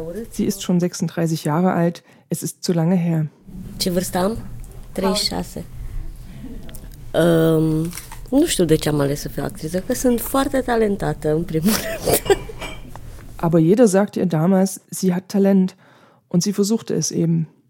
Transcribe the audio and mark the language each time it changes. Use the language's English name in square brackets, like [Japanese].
[German] Sie ist schon 36 Jahre alt, es ist zu lange her. [Romanian] Ce vârstă am? 36. Nu știu de ce am ales să fiu actriță, că sunt foarte talentată, în primul rând. [German] Aber jeder sagte ihr damals, sie hat Talent und sie versuchte es eben.